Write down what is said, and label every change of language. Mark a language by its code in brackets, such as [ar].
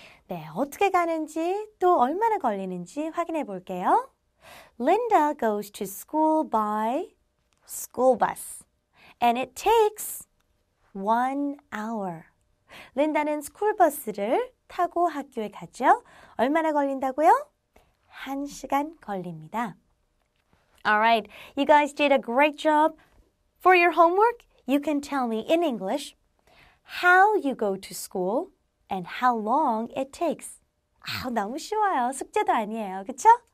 [ko] Yeah, 어떻게 가는지 또 얼마나 걸리는지 확인해 볼게요. [en] Linda goes to school by school bus, and it takes 1 hour. [ko] Linda는 스쿨버스를 타고 학교에 가죠. 얼마나 걸린다고요? 한 시간 걸립니다. [en] All right, you guys did a great job. For your homework, you can tell me in English how you go to school and how long it takes. [ko] 아, 너무 쉬워요. 숙제도 아니에요. 그쵸?